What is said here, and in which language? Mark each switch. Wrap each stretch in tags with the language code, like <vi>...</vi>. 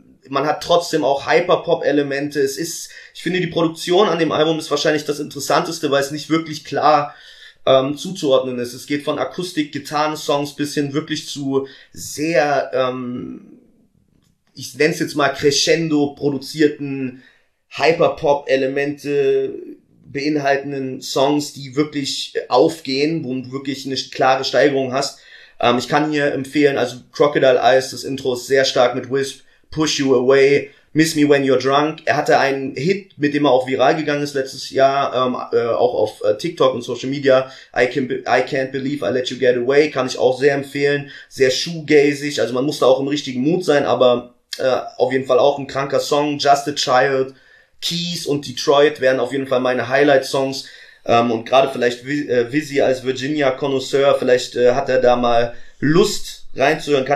<de>Man hat trotzdem auch Hyperpop-Elemente. Ich finde, die Produktion an dem Album ist wahrscheinlich das Interessanteste, weil es nicht wirklich klar zuzuordnen ist. Es geht von Akustik-Gitarren-Songs bis hin wirklich zu sehr, ich nenne es jetzt mal Crescendo-produzierten Hyperpop-Elemente beinhaltenden Songs, die wirklich aufgehen, wo du wirklich eine klare Steigerung hast. Ich kann hier empfehlen, also Crocodile Eyes, das Intro ist sehr stark mit Wisp, Push You Away, Miss Me When You're Drunk. Er hatte einen Hit, mit dem er auch viral gegangen ist letztes Jahr, auch auf TikTok und Social Media.</de> <en>I can't believe I let you get away.</en> <de>Kann ich auch sehr empfehlen. Sehr shoegazig. Also man muss da auch im richtigen Mood sein, aber auf jeden Fall auch ein kranker Song. Just a Child, Keys und Detroit wären auf jeden Fall meine Highlight-Songs. Und gerade vielleicht Vizzy als Virginia-Connoisseur, vielleicht hat er da mal Lust reinzuhören.</de>